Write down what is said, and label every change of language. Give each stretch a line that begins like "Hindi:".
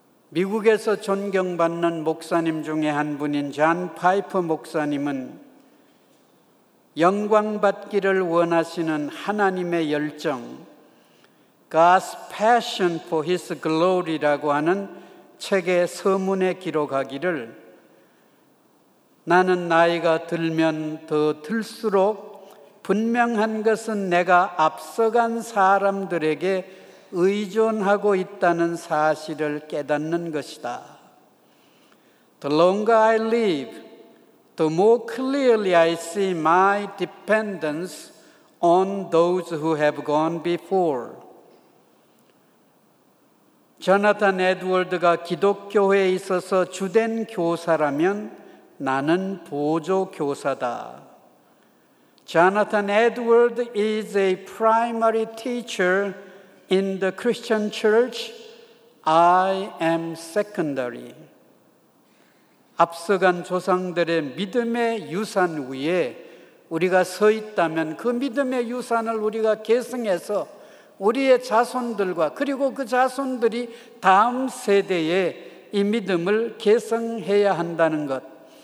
Korean: 미국에서 존경받는 목사님 중에 한 분인 존 파이퍼 목사님은 영광받기를 원하시는 하나님의 열정, God's Passion for His Glory라고 하는 책의 서문에 기록하기를 나는 나이가 들면 더 들수록 분명한 것은 내가 앞서간 사람들에게 의존하고 있다는 사실을 깨닫는 것이다.
English: The longer I live, the more clearly I see my dependence on those who have gone before.
Korean: 조나탄 에드워드가 기독교회에 있어서 주된 교사라면 나는 보조 교사다.
English: Jonathan Edwards is a primary teacher in the Christian church. I am secondary.
Korean: 앞서간 조상들의 믿음의 유산 위에 우리가 서 있다면 그 믿음의 유산을 우리가 계승해서 우리의 자손들과 그리고 그 자손들이 다음 세대에 이 믿음을 계승해야 한다는 것.